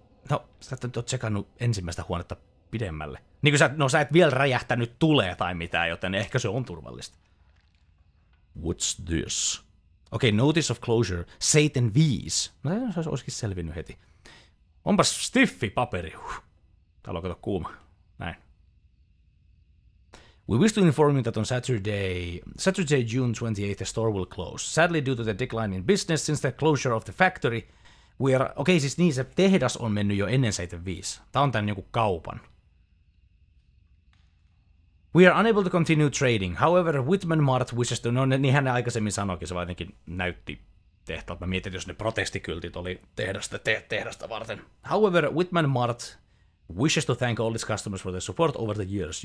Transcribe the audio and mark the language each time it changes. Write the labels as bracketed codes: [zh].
[fi] No, sä et ole tsekannut ensimmäistä huonetta pidemmälle. Niin kuin sä, no sä et vielä räjähtänyt tulee tai mitään, joten ehkä se on turvallista. [en] What's this? Okei, okay, notice of closure. [fi] Satan 5. No se olisikin selvinnyt heti. Onpas stiffi paperi. Täällä on kato kuuma. Näin. [en] We wish to inform you that on Saturday, June 28th, the store will close. Sadly, due to the decline in business since the closure of the factory, we are... [fi] Okei, okay, siis niin, se tehdas on mennyt jo ennen 75. Tämä on tämän joku kaupan. [en] We are unable to continue trading. However, Whitman Mart wishes to... [fi] No, niin hän aikaisemmin sanoikin, se vaan näytti tehtävältä. Mä mietin, jos ne protestikyltit oli tehdasta, tehdasta varten. [en] However, Whitman Mart wishes to thank all its customers for their support over the years.